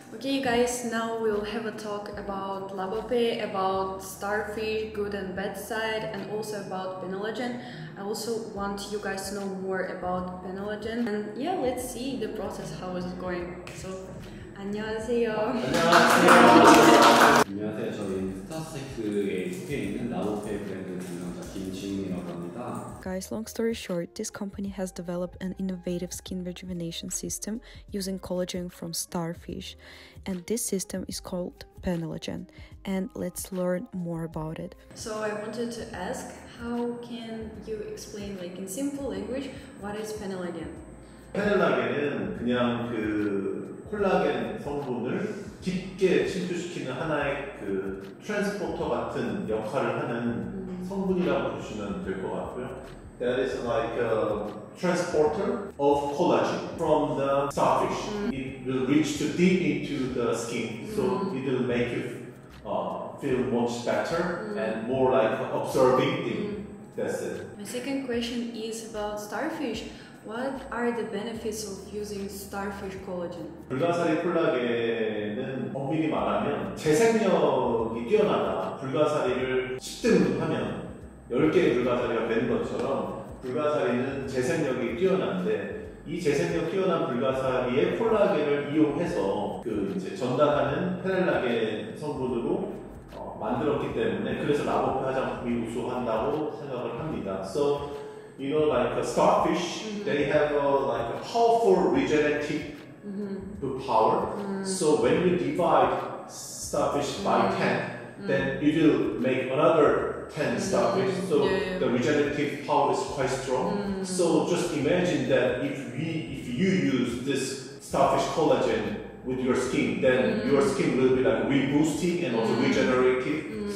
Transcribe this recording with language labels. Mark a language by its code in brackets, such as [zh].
[en] Okay, you guys, now we'll have a talk about Labope, about starfish, good and bad side, and also about Penelogen. I also want you guys to know more about Penelogen, and yeah, let's see the process, how is it going. [ko] So, 안녕하세요. 안녕하세요. 안녕하세요. 저희 스타세크에 속해 있는 라보페 브랜드 운영자 김지훈이라고 합니다. [en] Guys, long story short, this company has developed an innovative skin rejuvenation system using collagen from starfish, and this system is called Penelogen, and let's learn more about it. So I wanted to ask, how can you explain, like in simple language, what is Penelogen? [ko] Penelogen은 그냥 그 콜라겐 성분을 깊게 침투시키는 하나의 그 트랜스포터 같은 역할을 하는 성분이라고 보시면 될 것 같고요. [en] That is like a transporter of collagen from the starfish. Mm. It will reach too deep into the skin, so it will make you feel much better and more like absorbing thing. That's it. My second question is about starfish. What are the benefits of using starfish collagen? [ko] 불가사리 콜라겐은 엄밀히 말하면 재생력이 뛰어나다. 불가사리를 10등하면 10개의 불가사리가 되는 것처럼 불가사리는 재생력이 뛰어난데, 이 재생력 뛰어난 불가사리의 콜라겐을 이용해서 그 이제 전달하는 페넬라겐 성분으로 만들었기 때문에, 그래서 라보페 화장품이 우수한다고 생각을 합니다. [en] So, you know, like a starfish, they have a powerful regenerative power. So when you divide starfish by 10, then it will make another 10 starfish. So the regenerative power is quite strong. So just imagine that if you use this starfish collagen with your skin, then your skin will be like reboosting and also regenerative.